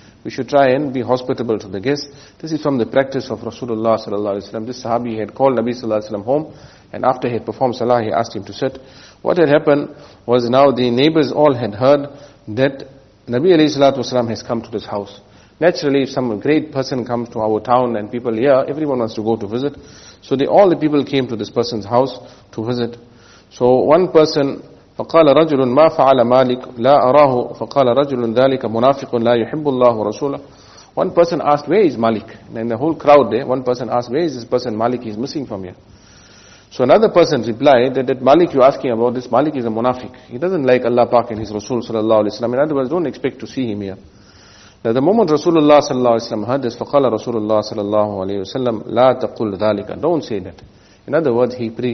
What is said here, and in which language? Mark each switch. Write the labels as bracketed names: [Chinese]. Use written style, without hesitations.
[English] We should try and be hospitable to the guests. This is from the practice of Rasulullah sallallahu alaihi wasallam. This sahabi had called Nabi sallallahu alaihi wasallam home, and after he had performed salah, he asked him to sit. What had happened was now the neighbors all had heard that Nabi alayhi salatu wasallam has come to this house. Naturally, if some great person comes to our town and people here, everyone wants to go to visit. So all the people came to this person's house to visit. So one person, [Arabic] فقال رجل ما فعل مالك لا أراه فقال رجل ذلك منافق لا يحب الله ورسوله. [English] One person asked, where is Malik? And in the whole crowd there, one person asked, where is this person Malik? He's missing from here. So another person replied that Malik you're asking about, this Malik is a munafiq. He doesn't like Allah Pak and his Rasul sallallahu alaihi wasallam. In other words, don't expect to see him here. Now the moment Rasulullah sallallahu alaihi wasallam heard this, [Arabic] فقال رسول الله صلى الله عليه وسلم لا تقول ذلك. [English] Don't say that. In other words, he